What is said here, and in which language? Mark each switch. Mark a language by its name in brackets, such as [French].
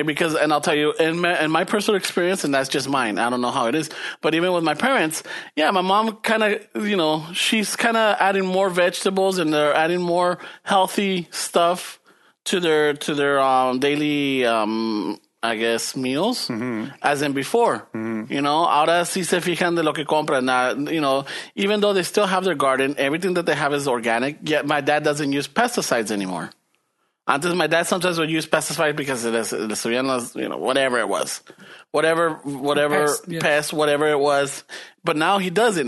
[English] And I'll tell you, in my personal experience, and that's just mine, I don't know how it is, but even with my parents, my mom kind of, you know, she's kind of adding more vegetables and they're adding more healthy stuff to their daily I guess meals, as in before, you know. [Spanish] Ahora sí se fijan de lo que compran. [English] You know, even though they still have their garden, everything that they have is organic. Yet my dad doesn't use pesticides anymore. Antes my dad sometimes would use pesticides because of the subianas, you know, whatever it was, whatever pest, whatever it was. But now he doesn't.